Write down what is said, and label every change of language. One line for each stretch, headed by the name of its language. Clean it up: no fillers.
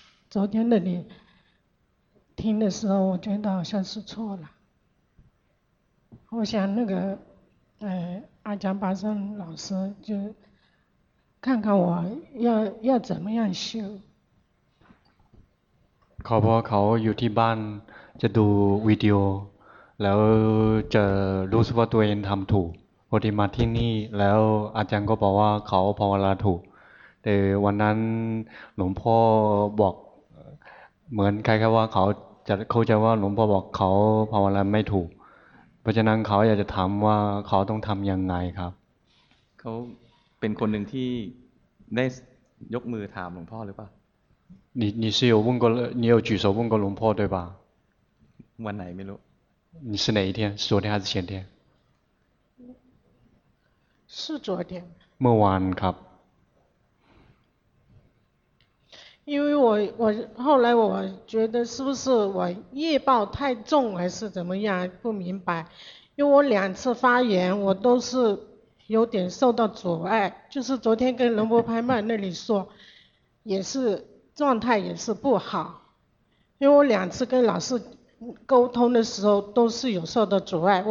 Chinese: 昨天那里听的时候，我觉得好像是错了。我想那个，阿姜巴生老师就看看我要怎么样修。
Thai: เขาบอกเขาอยู่ที่บ้านจะดูวิดีโอแล้วจะรู้สึกว่าตัวเองทำถูกพอที่มาที่นี่แล้วอาจารย์ก็บอกว่าเขาภาวนาถูกแต่วันนั้นหลวงพ่อบอกเหมือนใครๆว่าเขาจะเข้าใจว่าหลวงพ่อบอกเขาภาวนาไม่ถูกเพราะฉะนั้นเขาอยากจะถามว่าเขาต้องทำยังไงครับ เขาเป็นคนหนึ่งที่ได้ยกมือถามหลวงพ่อหรือเปล่า
Chinese: 你是有问过你有举手问过龙婆对吧
Thai: วันไหนไม่รู้
Chinese: 你是哪一天昨天还是前天是昨天
Thai: เมื่อวานครับ
Chinese: 因为我后来我觉得是不是我业报太重还是怎么样不明白因为我两次发言我都是有点受到阻碍就是昨天跟龙婆拍卖那里说也是状态也是不好，因为我两次跟老师沟通的时候都是有受到阻碍。